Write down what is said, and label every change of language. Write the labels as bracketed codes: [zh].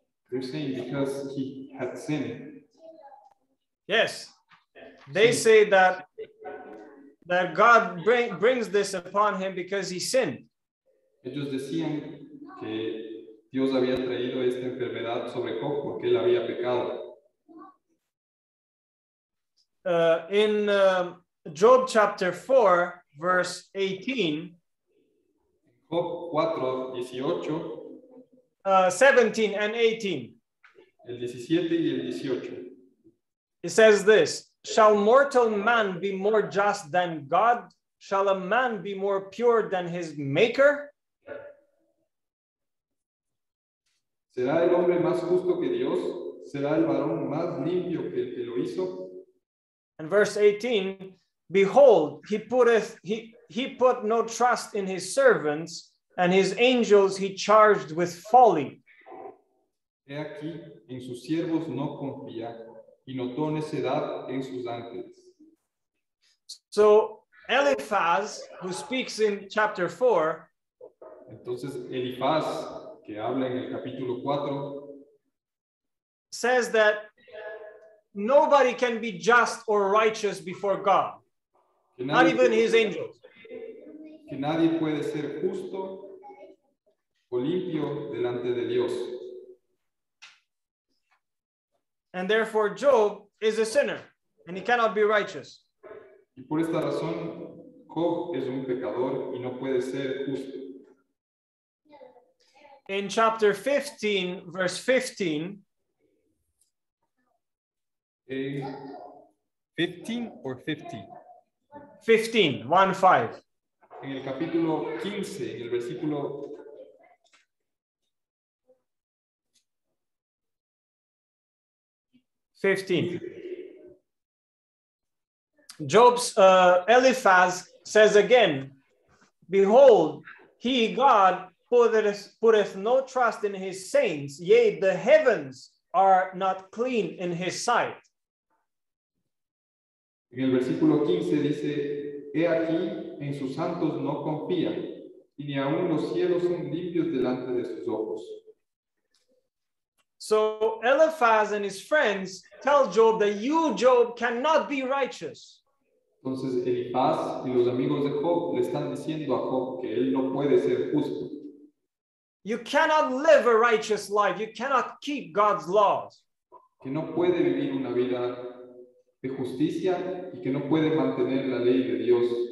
[en] They're saying because he had sin. Yes. They say that God brings this upon him because he sinned. [es] Ellos decían que Dios había traído esta enfermedad sobre Job porque él había pecado. [en] In Job chapter 4, verse 18. Job 4, 18. 17 and 18. [es] El 17 y el 18. [en] It says this, shall mortal man be more just than God? Shall a man be more pure than his maker? [es] ¿Será el hombre más justo que Dios? ¿Será el varón más limpio que el que lo hizo? [en] And verse 18, behold, he put no trust in his servants, and his angels he charged with folly. [es] He aquí, en sus siervos no confía, y notó necedad en sus ángeles. [en] So Eliphaz, who speaks in chapter 4, [es] entonces Eliphaz, que habla en el capítulo 4, [en] says that nobody can be just or righteous before God, not even his angels. [es] Que nadie puede ser justo o limpio delante de Dios. [en] And therefore, Job is a sinner, and he cannot be righteous. [es] Y por esta razón, Job es un pecador y no puede ser justo. [en] In chapter 15, verse 15. 15 or 50? 15, 1-5. [es] En el capítulo 15, en el versículo... [en] Eliphaz says again, behold, he, God, putteth no trust in his saints, yea, the heavens are not clean in his sight. [es] En el versículo 15 dice, he aquí, en sus santos no confía, y ni aun los cielos son limpios delante de sus ojos. [en] So Eliphaz and his friends tell Job that you, Job, cannot be righteous. [es] Entonces Eliphaz y los amigos de Job le están diciendo a Job que él no puede ser justo. [en] You cannot live a righteous life. You cannot keep God's laws. [es] Que no puede vivir una vida de justicia y que no puede mantener la ley de Dios.